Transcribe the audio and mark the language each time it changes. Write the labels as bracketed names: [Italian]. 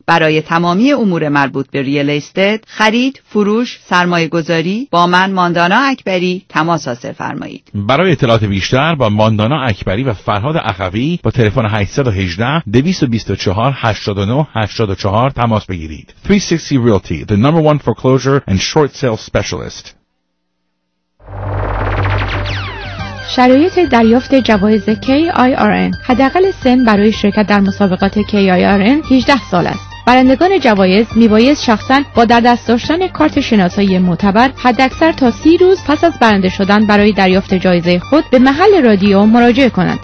[Persian] برای تمامی امور مربوط به ریل استیت، خرید، فروش، سرمایه گذاری با من ماندانا اکبری تماس حاصل فرمایید. برای اطلاعات بیشتر با ماندانا اکبری و فرهاد اخوی با تلفن 818-224-8984 تماس بگیرید. [English] 360 Realty, the number one foreclosure and short sale specialist. [Persian] شرایط دریافت جوایز KIRN حداقل سن برای شرکت در مسابقات KIRN 18 سال است. برندگان جوایز میباید شخصا با در دست داشتن کارت شناسایی معتبر حداکثر تا 30 روز پس از برنده شدن برای دریافت جایزه خود به محل رادیو مراجعه کنند.